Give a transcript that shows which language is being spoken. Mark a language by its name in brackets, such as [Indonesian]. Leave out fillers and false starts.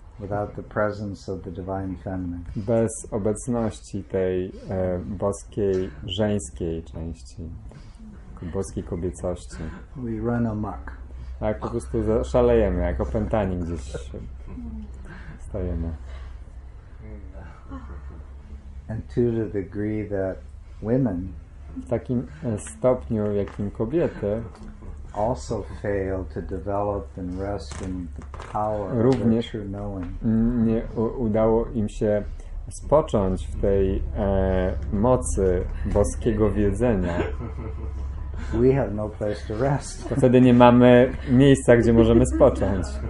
[English] Without the presence of the divine feminine. [Polish] Bez obecności tej boskiej żeńskiej części, boskiej kobiecości. [English] We run amok. [Polish] Tak, po prostu szalejemy, jak opętani gdzieś się stajemy. [English] And to the degree that women. [Polish] W takim stopniu, w jakim kobiety. [English] Also fail to develop and rest in the power [Polish] również [English] of knowing. [Polish] Nie udało im się spocząć w tej mocy boskiego wiedzenia. [English] We have no place to rest. [Polish] To wtedy nie mamy miejsca, gdzie możemy spocząć.